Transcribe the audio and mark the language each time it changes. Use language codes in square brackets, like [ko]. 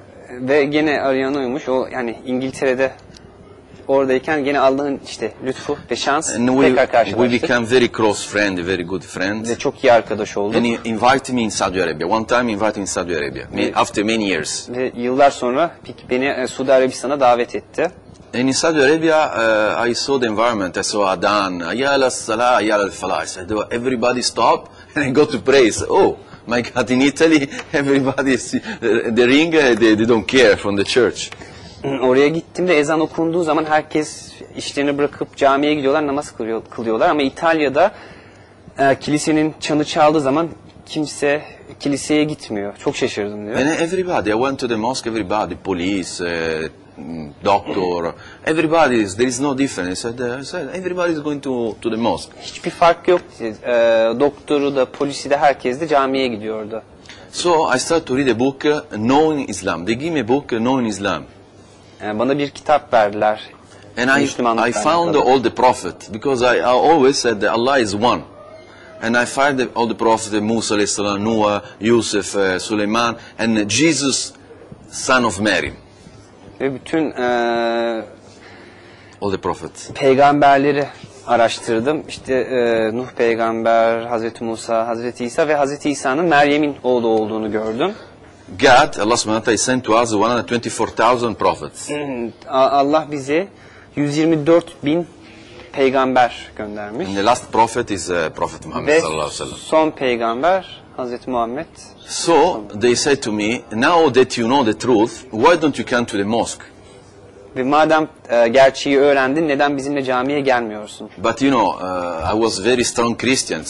[tr] Ve gene arayan oymuş. O yani İngiltere'de oradayken yine Allah'ın işte lütfu ve şans and tekrar karşılaştık. [en] We became very close friend, very good friend. [tr] Ve çok iyi arkadaş olduk. [en] And he invited me in Saudi Arabia. One time invited me in Saudi Arabia. Ve, after many years. [tr] Ve yıllar sonra beni Suudi Arabistan'a davet etti. [en] And in Saudi Arabia, I saw the environment. I saw Adan, Ayala Salah, Ayala Falah. I said, everybody stop and I go to pray. So, oh, my God, in Italy, everybody, the ring, they don't care from the church. [tr] Oraya gittim de ezan okunduğu zaman herkes işlerini bırakıp camiye gidiyorlar, namaz kılıyorlar. Ama İtalya'da kilisenin çanı çaldığı zaman kimse kiliseye gitmiyor. Çok şaşırdım diyor. [en] And everybody, I went to the mosque, everybody, police, doctor, everybody is, there is no difference. I said, everybody is going to the mosque. [tr] Hiçbir fark yok. Doktoru da, polisi de, herkes de camiye gidiyordu. [en] So I started to read a book, Knowing Islam. They gave me a book, Knowing Islam. [tr] Bana bir kitap verdiler. [en] And I found all the prophet, because I always said that Allah is one. And I find all the prophet, Musa, Noah, Yusuf, Suleyman, and Jesus, son of Mary. [tr] Ve bütün [en] all the prophets. [tr] Peygamberleri araştırdım. İşte Nuh peygamber, Hazreti Musa, Hazreti İsa ve Hazreti İsa'nın Meryem'in oğlu olduğunu gördüm. [en] God, Allah [ar] subhanahu wa ta'ala [en] sent to us 124,000 prophets. [tr] Allah bize 124,000 peygamber göndermiş. [en] And the last prophet is Prophet Muhammed [tr] ve [ar] sallallahu aleyhi ve sellem. [tr] Son peygamber Hazreti Muhammed. [en] So they said to me, now that you know the truth, why don't you come to the mosque? [tr] Ve madem gerçeği öğrendin, neden bizimle camiye gelmiyorsun? [en] But you know, I was very strong Christian.